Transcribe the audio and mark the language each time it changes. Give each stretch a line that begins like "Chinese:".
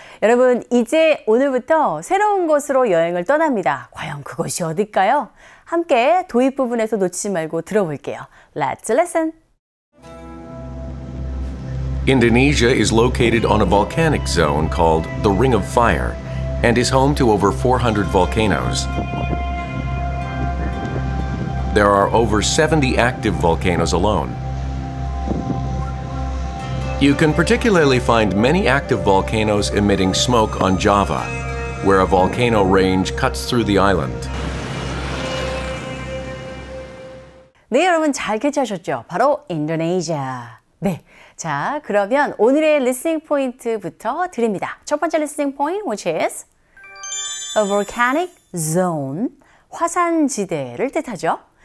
Korean: 여러분, 이제 오늘부터 새로운 곳으로 여행을 떠납니다. 과연 그곳이 어딜까요? 함께 도입 부분에서 놓치지 말고 들어볼게요.
English: Let's listen. Indonesia is located on a volcanic zone called the Ring of Fire and is home to over 400 volcanoes. There are over 70 active volcanoes alone. You can particularly find many active volcanoes emitting smoke on Java, where a volcano range cuts through the island.
Korean: 네, 여러분 잘 캐치하셨죠? 바로 인도네시아. 네. 자, 그러면 오늘의 리스닝 포인트부터 드립니다. 첫 번째 리스닝 포인트,
English: which is a volcanic zone,
Korean: 화산지대를 뜻하죠.